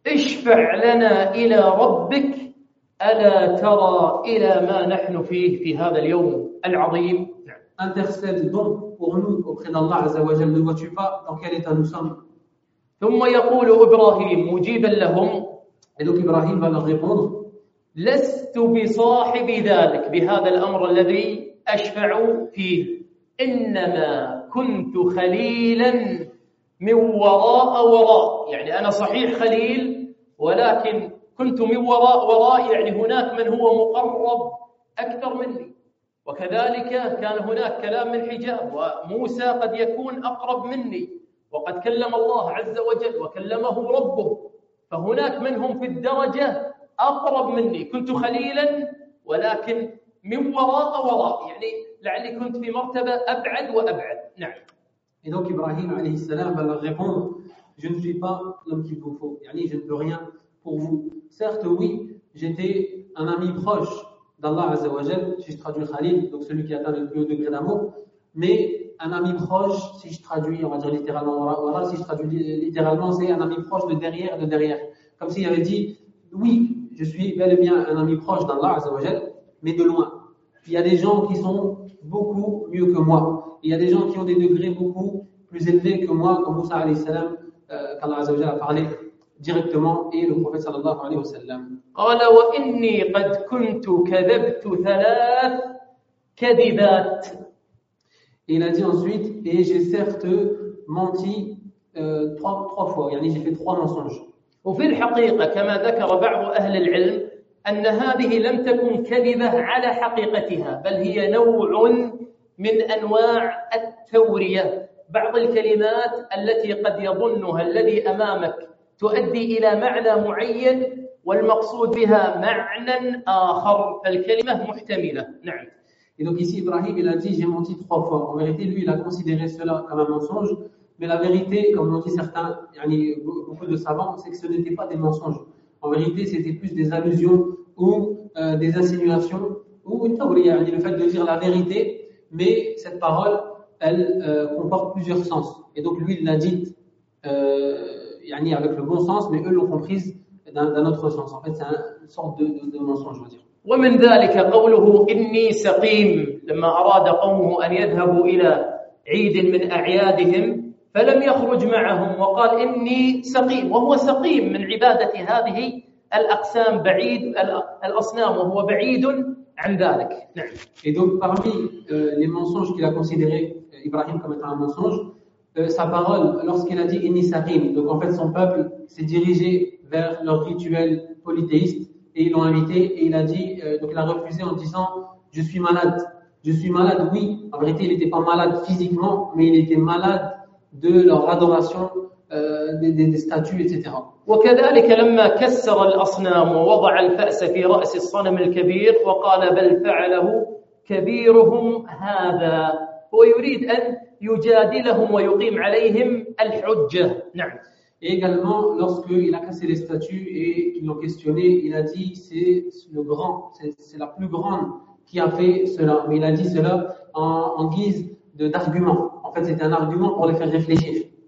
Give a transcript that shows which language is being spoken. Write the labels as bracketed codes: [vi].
[ar] اشفع لنا إلى ربك ألا ترى إلى ما نحن فيه في هذا اليوم العظيم. [fr] intercède donc pour nous auprès d'Allah Azza wa Jal ne vois-tu pas dans quel état nous sommes [ar] ثم يقول إبراهيم مجيبا لهم [fr] et donc Ibrahim va leur répondre [ar] لست بصاحب ذلك بهذا الأمر الذي أشفع فيه إنما كنت خليلا من وراء وراء يعني أنا صحيح خليل ولكن كنت من وراء وراء يعني هناك من هو مقرب أكثر مني وكذلك كان هناك كلام من حجاب وموسى قد يكون أقرب مني وقد كلم الله عز وجل وكلمه ربه فهناك منهم في الدرجة أقرب مني، كنت خليلاً ولكن من وراء وراء، يعني لعلي كنت في مرتبة أبعد وأبعد. نعم. [fr] Et donc Ibrahim [ar] عليه السلام [fr] va leur répondre: je ne suis pas l'homme qu'il vous faut. يعني je ne peux rien pour vous. Certes, oui, j'étais un ami proche d'Allah [ar] عز وجل. [fr] Si je traduis Khalil, donc celui qui atteint le plus haut degré d'amour, mais un ami proche, si je traduis, on va dire littéralement, voilà, si je traduis littéralement, c'est un ami proche de derrière, de derrière. Comme s'il avait dit, oui, je suis bel et bien un ami proche d'Allah, Azzawajal, mais de loin. Il y a des gens qui sont beaucoup mieux que moi. Il y a des gens qui ont des degrés beaucoup plus élevés que moi, comme Moussa alayhi salam, qu'Allah Azzawajal a parlé directement, et le prophète [ar] sallallahu alayhi wa sallam. قَالَ وَإِنِّي قَدْ كُنْتُ كَذَبْتُ ثَلَاثْ كَذِبَاتْ. [fr] Et il a dit ensuite, et j'ai certes menti trois fois, yani j'ai fait trois mensonges. [ar] وفي الحقيقة كما ذكر بعض أهل العلم أن هذه لم تكن كذبة على حقيقتها بل هي نوع من أنواع التورية، بعض الكلمات التي قد يظنها الذي أمامك تؤدي إلى معنى معين والمقصود بها معنى آخر، فالكلمة محتملة. نعم. [fr] Et donc ici Ibrahim il a dit j'ai menti trois fois. En vérité lui il a considéré cela comme un mensonge, mais la vérité comme l'ont dit certains, yani beaucoup de savants, c'est que ce n'était pas des mensonges. En vérité c'était plus des allusions ou des insinuations ou une tawriya, yani le fait de dire la vérité, mais cette parole elle comporte plusieurs sens. Et donc lui il l'a dit yani avec le bon sens, mais eux l'ont comprise d'un autre sens. En fait c'est une sorte de mensonge, je veux dire. [ar] ومن ذلك قوله إني سقيم لما أراد قومه أن يذهبوا إلى عيد من أعيادهم فلم يخرج معهم وقال إني سقيم وهو سقيم من عبادة هذه الأقسام بعيد الأصنام وهو بعيد عن ذلك. نعم. [fr] Et donc parmi les mensonges qu'il a considéré Ibrahim comme étant un mensonge, sa parole lorsqu'il a dit [ar] إني سقيم, [fr] donc en fait son peuple s'est dirigé vers leur rituel polythéiste. Et ils l'ont invité et il a dit, donc il a refusé en disant je suis malade. Je suis malade, oui. En vérité, il n'était pas malade physiquement, mais il était malade de leur adoration des statues, etc. [ar] وكذلك لما كسر الأصنام ووضع الفأس في رأس الصنم الكبير وقال بل فعله كبيرهم هذا. هو يريد أن يجادلهم ويقيم عليهم الحجة. نعم. [fr] Et également, lorsqu'il a cassé les statues et qu'ils l'ont questionné, il a dit « c'est le grand, c'est la plus grande qui a fait cela ». Mais il a dit cela en guise d'argument. En fait, c'était un argument pour les faire réfléchir.